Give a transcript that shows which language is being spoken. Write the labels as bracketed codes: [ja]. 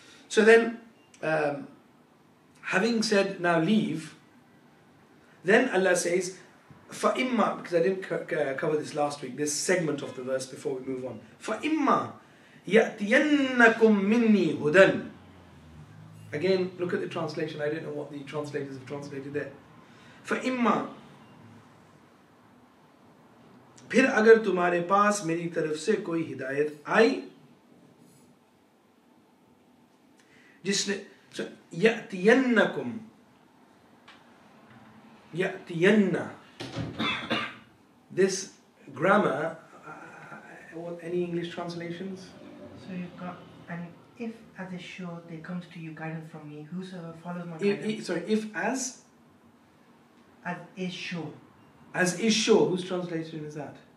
[en] So then, having said, now leave, then Allah says, فَإِمَّا, because I didn't cover this last week, this segment of the verse before we move on. [ar] فَإِمَّا يَأْتِيَنَّكُمْ مِنِّي هُدًى. [en] Again, look at the translation. I don't know what the translators have translated there. [ar] فَإِمَّا [ur] پھر اگر تمہارے پاس میری طرف سے کوئی ہدایت آئی جس نے [ar] يَأْتِيَنَّكُمْ يَأْتِيَنَّ. [en] This grammar, what, any English translations? So you've got an if as is sure there comes to you guidance from me, whosoever follows my guidance. If as? As is sure. As is sure, whose translation is that?